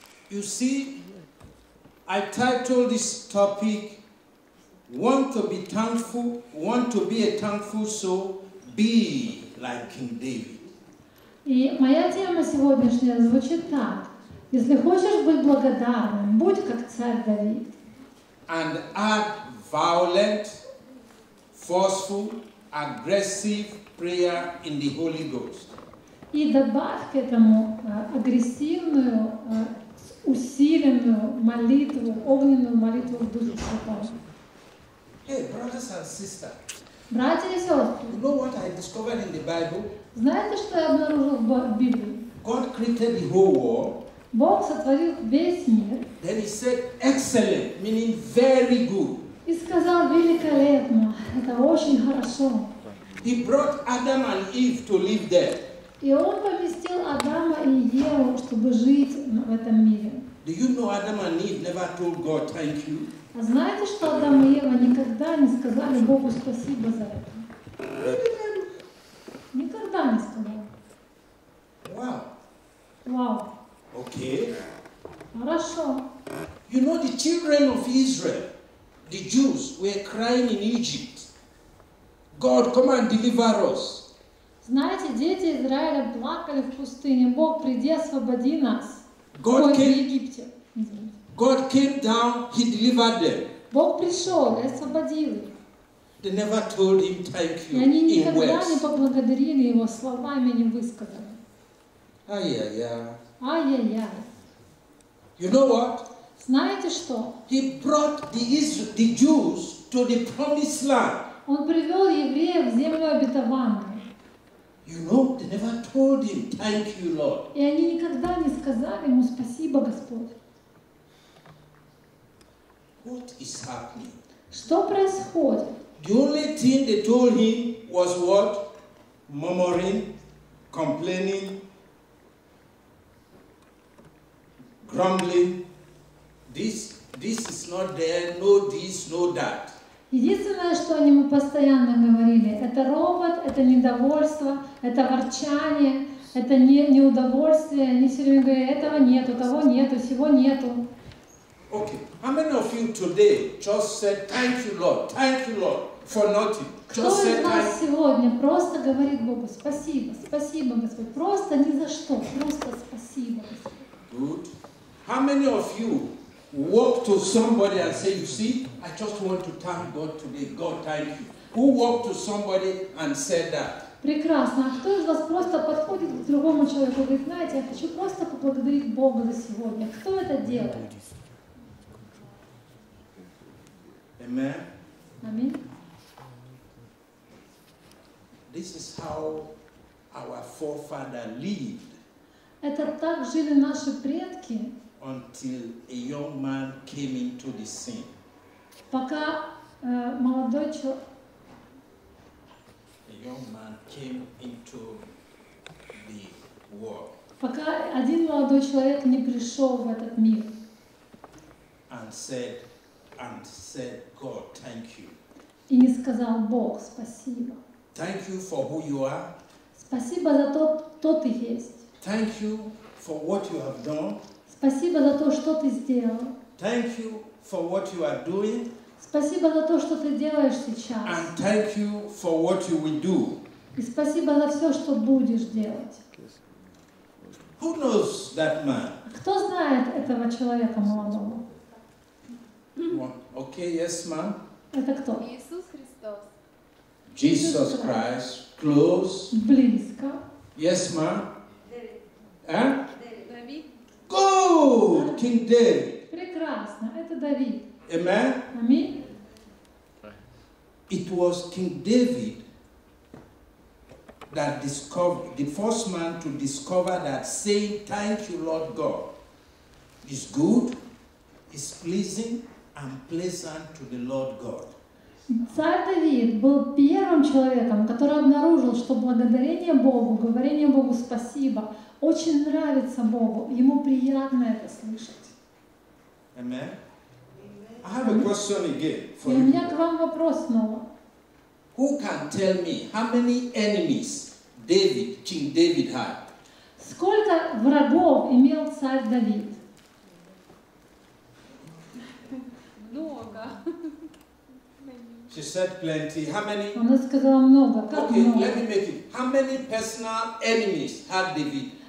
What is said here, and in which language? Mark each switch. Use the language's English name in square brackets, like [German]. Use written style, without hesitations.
[English] You see, I titled this topic, Want to be thankful, want to be a thankful soul, be like King David. [Russian] И моя тема сегодняшняя звучит так. Если хочешь быть благодарным, будь как царь Давид. [English] And add violent, forceful, aggressive prayer in the Holy Ghost. [Russian] И добавь к этому агрессивную, усиленную молитву, огненную молитву в Духе Святого. [English] Hey, brothers and sisters. [Russian] Братья и сестры. [English] You know what I discovered in the Bible? [Russian] Знаете, что я обнаружил в Библии? [English] God created the whole world. [Russian] Бог сотворил весь мир. [English] Then he said excellent, meaning very good. [Russian] И сказал великолепно, это очень хорошо. [English] He brought Adam and Eve to live there. [Russian] И он поместил Адама и Еву, чтобы жить в этом мире. [English] The Do you know Adam and Eve never told God thank you? [Russian] А знаете, что Адам и Ева никогда не сказали Богу спасибо за это? Никогда не сказали. [English] Wow. Wow. Okay. [Russian] Хорошо. [English] You know the children of Israel, the Jews, were crying in Egypt. God, come and deliver us. [Russian] Знаете, дети Израиля плакали в пустыне. Бог, приди, освободи нас. [English] God came. [Russian] Египте. [English] God came down. He delivered them. [Russian] Бог пришел и освободил их. [English] They never told him thank you. [Russian] И они никогда не поблагодарили его словами, не высказали. Ай-яй-яй. [English] You know what? [Russian] Знаете что? [English] He brought the Jews to the promised land. [Russian] Он привел евреев в землю обетованную. [English] You know, they never told him thank you, Lord. [Russian] И они никогда не сказали ему спасибо, Господь. [English] What is happening? [Russian] Что происходит? [English] The only thing they told him was what? Murmuring, complaining, grumbling. This is not there, no this, no that. [Russian] Единственное, что они ему постоянно говорили, это ропот, это недовольство, это ворчание, это неудовольствие. Они все время говорили, этого нету, того нету, всего нету. [English] Okay. How many of you today just said thank you Lord for nothing? Just [Russian] кто из нас сегодня просто говорит Богу спасибо, спасибо Господь, просто ни за что, просто спасибо Господь. [English] Good. How many of you walk to somebody and say, you see, I just want to thank God today. God, thank you. Who walked to somebody and said that? [Russian] Прекрасно. А кто из вас просто подходит к другому человеку и говорит, знаете, я хочу просто поблагодарить Бога за сегодня. Кто это делает? [English] Amen. Amen. This is how our forefather lived. [Russian] Это так жили наши предки. [English] Until a young man came into the scene. [Russian] Пока молодой человек. [English] A young man came into the world. [Russian] Пока один молодой человек не пришел в этот мир. [English] And said, God, thank you. [Russian] И не сказал Бог спасибо. [English] Thank you for who you are. [Russian] Спасибо за то, кто ты есть. [English] Thank you for what you have done. [Russian] Спасибо за то, что ты сделал. [English] Thank you for what you are doing. [Russian] Спасибо за то, что ты делаешь сейчас. [English] And thank you for what you will do. [Russian] И спасибо за все, что будешь делать. [English] Who knows that man? [Russian] Кто знает этого человека молодого? [English] Okay, yes, ma'am. [Russian] Это кто? Иисус Христос. [English] Jesus Christ. Close. [Russian] Близко. [English] Yes, ma'am. [Russian] Давид. [English] Давид. Good, King David. [Russian] Прекрасно, это Давид. [English] Amen. Amen. It was King David that discovered, the first man to discover that saying, thank you, Lord God, is good, is pleasing, and pleasant to the Lord God. [Russian] Царь Давид был первым человеком, который обнаружил, что благодарение Богу, говорение Богу спасибо, очень нравится Богу, ему приятно это слышать. [English] Amen. I have a question again for you. [Russian] И у меня к вам вопрос снова. [English] Who can tell me how many enemies David, King David had? [Russian] Сколько врагов имел царь Давид? Много. [English] She said plenty. How many? [Russian] Она сказала много. [English] Okay, let me make it. How many personal enemies had David?